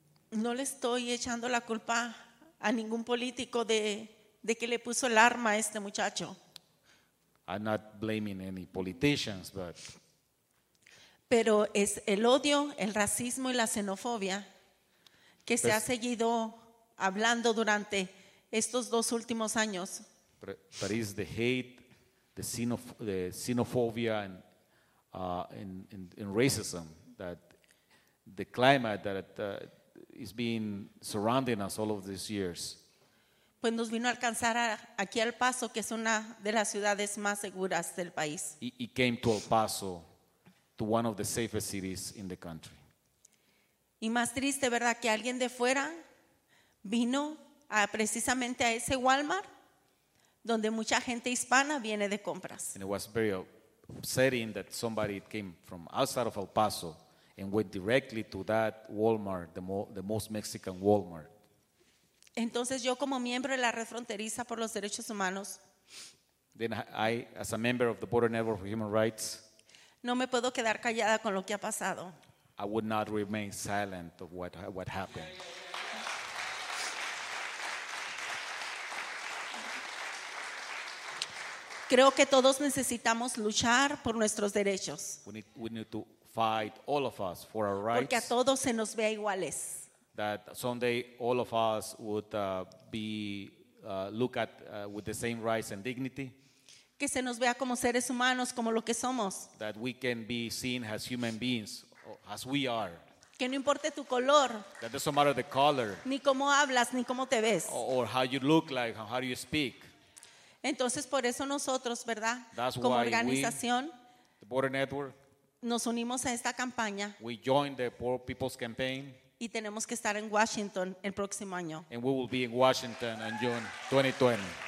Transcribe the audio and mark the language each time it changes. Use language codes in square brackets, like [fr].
[es] No le estoy echando la culpa a ningún político de que le puso el arma a este muchacho. [en] I'm not blaming any politicians, but [es] pero es el odio, el racismo y la xenofobia que se ha seguido hablando durante estos dos últimos años. [en] That is the hate, the xenophobia and racism, that the climate that is being surrounding us all of these years. [es] Pues nos vino a alcanzar aquí al Paso, que es una de las ciudades más seguras del país. [en] He came to El Paso, to one of the safest cities in the country. [es] Y más triste, ¿verdad?, que alguien de fuera vino a precisamente a ese Walmart donde mucha gente hispana viene de compras. [en] And it was very upsetting that somebody came from outside of El Paso and went directly to that Walmart, the most Mexican Walmart. [es] Entonces yo, como miembro de la Red Fronteriza por los Derechos Humanos, [en] then I, as a member of the Border Network for Human Rights, [es] no me puedo quedar callada con lo que ha pasado. [en] I would not remain silent of what happened. Yeah, yeah, yeah. [es] Creo que todos necesitamos luchar por nuestros derechos. [en] We need to fight, all of us, for our rights. [es] Porque a todos se nos vea iguales. [en] That someday all of us would be look at with the same rights and dignity. [es] Que se nos vea como seres humanos, como lo que somos. [en] That we can be seen as human beings, as we are. [es] Que no importe tu color. [en] That doesn't matter the color. [es] Ni cómo hablas, ni cómo te ves. [en] Or how you look like, how do you speak. [es] Entonces por eso nosotros, ¿verdad? [en] That's [es] como [en] why [es] organización, [en] we, the Border Network, [es] nos unimos a esta campaña. [en] We joined the Poor People's Campaign. [es] Y tenemos que estar en Washington el próximo año. [en] And we will be in Washington in June 2020.